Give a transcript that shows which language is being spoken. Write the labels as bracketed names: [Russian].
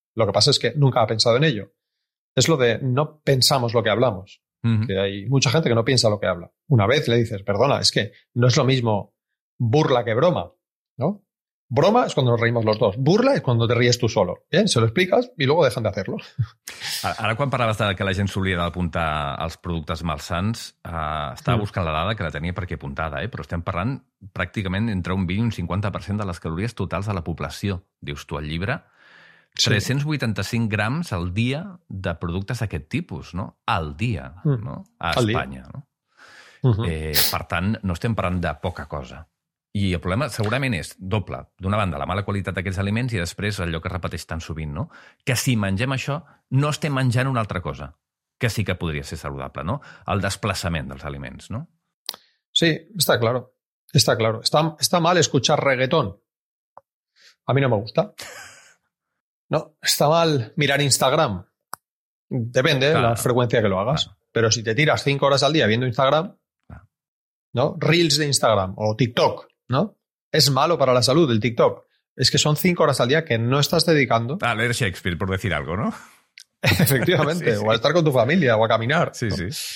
[Spanish] Lo que pasa es que nunca ha pensado en ello. Es lo de no pensamos lo que hablamos. Uh-huh. Que hay mucha gente que no piensa lo que habla. Una vez le dices, perdona, es que no es lo mismo burla que broma, ¿no? Broma es cuando nos reímos los dos. Burla es cuando te ríes tú solo. Bien, se lo explicas y luego dejan de hacerlo. [Catalan] Ara, quan parlaves de que la gent s'oblida d'apuntar els productes malsans, estava buscant la dada, que la tenia perquè apuntada, però estem parlant pràcticament entre un 20 i un 50% de les calories totals de la població, dius tu al llibre. Sí. 385 grams al dia de productes d'aquest tipus, no? Al dia, no? A Espanya. No? Uh-huh. Per tant, no estem parlant de poca cosa. I el problema segurament és doble. D'una banda, la mala qualitat d'aquests aliments i després allò que es repeteix tan sovint, no? Que si mengem això, no estem menjant una altra cosa, que sí que podria ser saludable, no? El desplaçament dels aliments, no? [Spanish] Sí, està claro. Està claro. Està mal escuchar reggaetón. A mi no me gusta. No, està mal mirar Instagram. Depende la freqüència que lo hagas. Claro. Pero si te tiras 5 hores al dia viendo Instagram, ¿no? Reels de Instagram o TikTok, ¿no? Es malo para la salud el TikTok. Es que son 5 horas al día que no estás dedicando a leer Shakespeare, por decir algo, ¿no? Efectivamente, sí, sí. O a estar con tu familia o a caminar. Sí, ¿no? Sí.